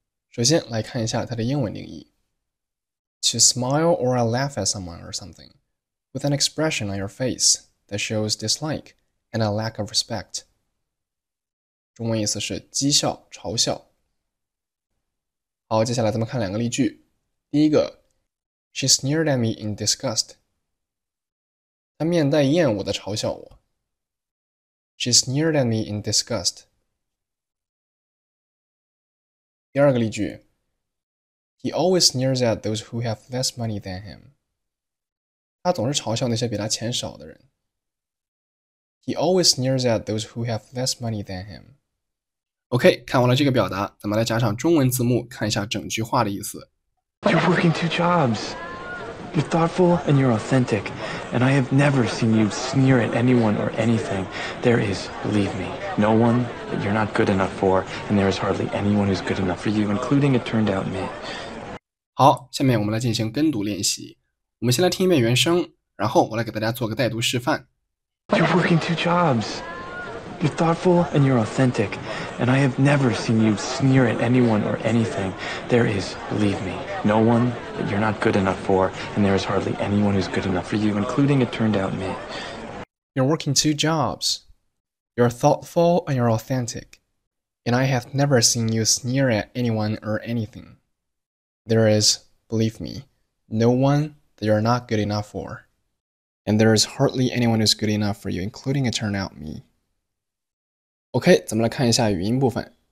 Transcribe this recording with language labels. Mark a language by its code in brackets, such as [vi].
[zh] 首先来看一下它的英文定义。 [en] To smile or laugh at someone or something, with an expression on your face that shows dislike and a lack of respect. [zh] 中文意思是讥笑、嘲笑。好，接下来咱们看两个例句。第一个 [en] She sneered at me in disgust. [zh] 她面带厌恶地嘲笑我。 [en] She sneered at me in disgust. [zh] 第二个例句 [en] He always sneers at those who have less money than him. [zh] 他总是嘲笑那些比他钱少的人。 [en] He always sneers at those who have less money than him. [zh] OK, 看完了这个表达，咱们来加上中文字幕，看一下整句话的意思。 [en] You're working two jobs. You're thoughtful and you're authentic. And I have never seen you sneer at anyone or anything. There is, believe me, no one that you're not good enough for. And there is hardly anyone who's good enough for you, including it turned out me. [zh] 好，下面我们来进行跟读练习。我们先来听一遍原声，然后我来给大家做个带读示范。 [en] You're working two jobs. You're thoughtful and you're authentic, and I have never seen you sneer at anyone or anything. There is, believe me, no one that you're not good enough for, and there is hardly anyone who's good enough for you, including it turned out me. You're working two jobs. You're thoughtful and you're authentic, and I have never seen you sneer at anyone or anything. There is, believe me, no one that you're not good enough for, and there is hardly anyone who's good enough for you, including it turned out me. [zh] OK, 咱们来看一下语音部分。